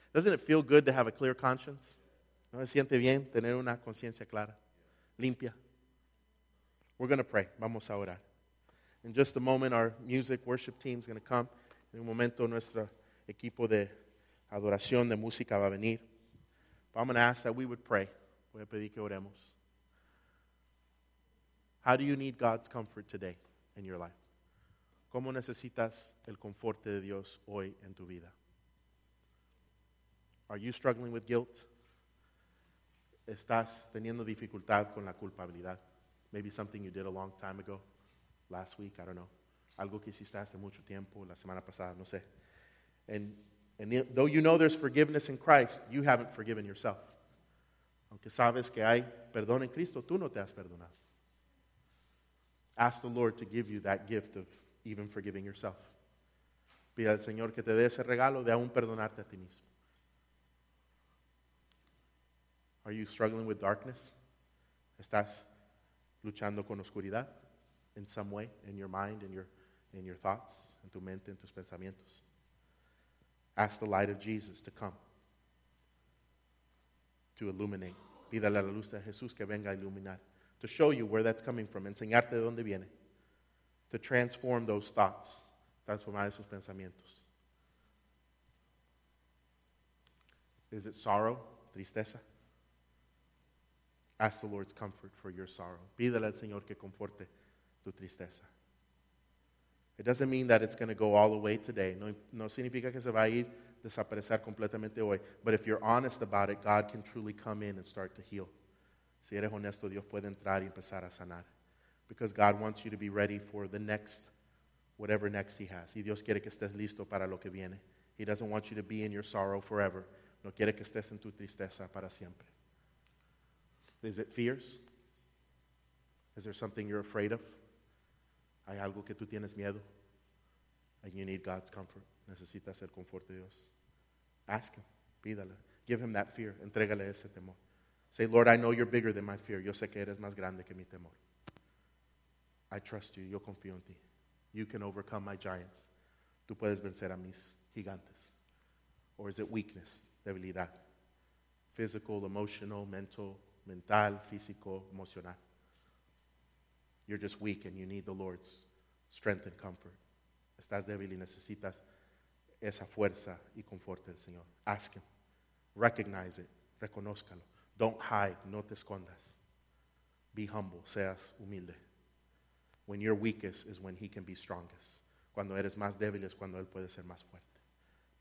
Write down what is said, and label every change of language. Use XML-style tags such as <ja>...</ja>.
<en>Doesn't it feel good to have a clear conscience?</en> <es>¿No se siente bien tener una conciencia clara, limpia?</es> <en>We're going to pray.</en> <es>Vamos a orar.</es> <en>In just a moment, our music worship team is going to come.</en> <es>En un momento, nuestro equipo de adoración de música va a venir.</es> <en>But I'm going to ask that we would pray.</en> <es>Voy a pedir que oremos.</es> <en>How do you need God's comfort today in your life?</en> <es>¿Cómo necesitas el conforto de Dios hoy en tu vida?</es> <en>Are you struggling with guilt?</en> <es>¿Estás teniendo dificultad con la culpabilidad?</es> <en>Maybe something you did a long time ago, last week, I don't know.</en> <es>Algo que hiciste hace mucho tiempo, la semana pasada, no sé.</es> <en>And though you know there's forgiveness in Christ, you haven't forgiven yourself.</en> <es>Aunque sabes que hay perdón en Cristo, tú no te has perdonado.</es> <en>Ask the Lord to give you that gift of even forgiving yourself.</en> <es>Pide al Señor que te dé ese regalo de aún perdonarte a ti mismo.</es> <en>Are you struggling with darkness?</en> <es>¿Estás luchando con oscuridad?</es> <en>In some way, in your mind, in your thoughts,</en> <es>en tu mente, en tus pensamientos.</es> <en>Ask the light of Jesus to come, to illuminate.</en> <es>Pídale a la luz de Jesús que venga a iluminar.</es> <en>To show you where that's coming from,</en> <es>enseñarte de dónde viene.</es> <en>To transform those thoughts,</en> <es>transformar esos pensamientos.</es> <en>Is it sorrow,</en> <es>tristeza?</es> <en>Ask the Lord's comfort for your sorrow.</en> <es>Pídele al Señor que conforte tu tristeza.</es> <en>It doesn't mean that it's going to go all the way today.</en> <es>No significa que se va a ir desaparecer completamente hoy.</es> <en>But if you're honest about it, God can truly come in and start to heal.</en> <es>Si eres honesto, Dios puede entrar y empezar a sanar.</es> <en>Because God wants you to be ready for the next, whatever next He has.</en> <es>Y Dios quiere que estés listo para lo que viene.</es> <en>He doesn't want you to be in your sorrow forever.</en> <es>No quiere que estés en tu tristeza para siempre.</es> <en>Is it fears? Is there something you're afraid of?</en> <es>Hay algo que tú tienes miedo.</es> <en>And you need God's comfort.</en> <es>Necesitas el confort de Dios.</es> <en>Ask Him.</en> <es>Pídale.</es> <en>Give Him that fear.</en> <es>Entrégale ese temor.</es> <en>Say, Lord, I know you're bigger than my fear.</en> <es>Yo sé que eres más grande que mi temor.</es> <en>I trust you.</en> <es>Yo confío en ti.</es> <en>You can overcome my giants.</en> <es>Tú puedes vencer a mis gigantes.</es> <en>Or is it weakness,</en> <es>debilidad?</es> <en>Physical, emotional, mental,</en> <es>físico, emocional.</es> <en>You're just weak and you need the Lord's strength and comfort.</en> <es>Estás débil y necesitas esa fuerza y confort del Señor.</es> <en>Ask Him. Recognize it.</en> <es>Reconózcalo.</es> <en>Don't hide,</en> <es>no te escondas.</es> <en>Be humble,</en> <es>seas humilde.</es> <en>When you're weakest is when He can be strongest.</en> <es>Cuando eres más débil es cuando Él puede ser más fuerte.</es>